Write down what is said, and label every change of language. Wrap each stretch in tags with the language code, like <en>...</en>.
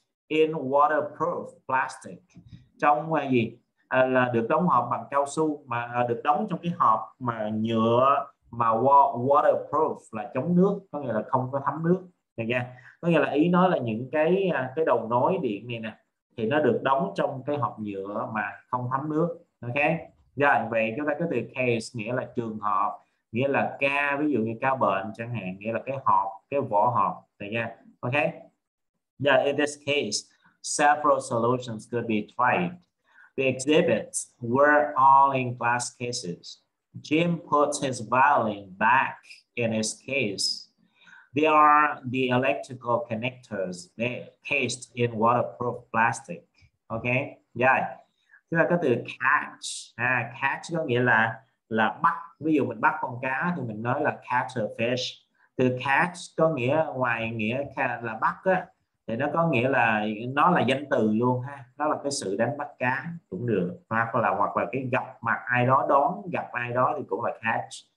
<vi>In waterproof plastic, trong gì, là được đóng hộp bằng cao su, mà được đóng trong cái hộp mà nhựa, mà waterproof là chống nước, có nghĩa là không có thấm nước này nha. Có nghĩa là ý nói là những cái đầu nối điện này nè, thì nó được đóng trong cái hộp nhựa mà không thấm nước. Ok, rồi vậy chúng ta có từ case nghĩa là trường hợp, nghĩa là ca, ví dụ như ca bệnh chẳng hạn, nghĩa là cái hộp, cái vỏ hộp này nha.</vi> <en>Ok, yeah, in this case, several solutions could be tried. The exhibits were all in glass cases. Jim puts his violin back in his case. There are the electrical connectors cased in waterproof plastic. Ok, rồi. Yeah.</en> <vi>là cái từ catch. Catch có nghĩa là bắt. Ví dụ mình bắt con cá thì mình nói là</vi> <en>catch a fish.</en> <vi>Từ catch có nghĩa, ngoài nghĩa là bắt á, thì nó có nghĩa là nó là danh từ luôn ha, nó là cái sự đánh bắt cá cũng được, hoặc là cái gặp mặt ai đó, đón gặp ai đó thì cũng là catch.</vi>